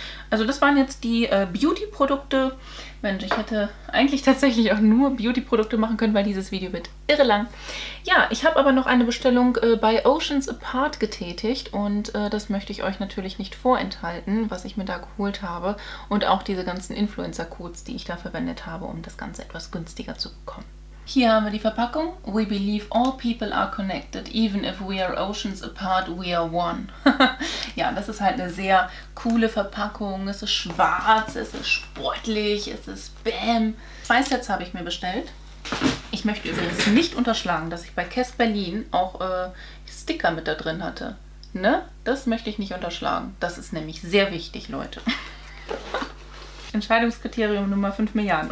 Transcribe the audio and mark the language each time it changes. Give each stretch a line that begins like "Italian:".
German: Also das waren jetzt die Beauty-Produkte. Mensch, ich hätte eigentlich tatsächlich auch nur Beauty-Produkte machen können, weil dieses Video wird irre lang. Ja, ich habe aber noch eine Bestellung bei Oceans Apart getätigt und das möchte ich euch natürlich nicht vorenthalten, was ich mir da geholt habe und auch diese ganzen Influencer-Codes, die ich da verwendet habe, um das Ganze etwas günstiger zu bekommen. Hier haben wir die Verpackung.
English: We believe all people are connected, even if we are oceans apart, we are one.
German: Ja, das ist halt eine sehr coole Verpackung. Es ist schwarz, es ist sportlich, es ist bam. 2 Sets habe ich mir bestellt. Ich möchte übrigens nicht unterschlagen, dass ich bei Kess Berlin auch Sticker mit da drin hatte. Ne? Das möchte ich nicht unterschlagen. Das ist nämlich sehr wichtig, Leute. Entscheidungskriterium Nummer 5 Milliarden.